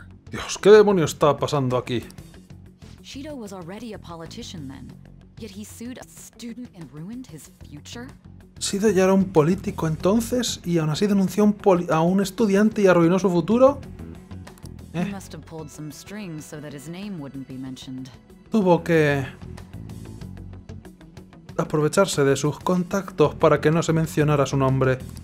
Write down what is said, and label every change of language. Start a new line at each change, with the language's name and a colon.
Spanish: Dios, ¿qué demonios está pasando aquí?
English: Shido was already a politician then, yet he sued a student and ruined his future.
Spanish: Shido ya era un político entonces y aún así denunció a un estudiante y arruinó su futuro.
English: He must have pulled some strings so that his name wouldn't be mentioned.
Spanish: Tuvo que aprovecharse de sus contactos para que no se mencionara su nombre.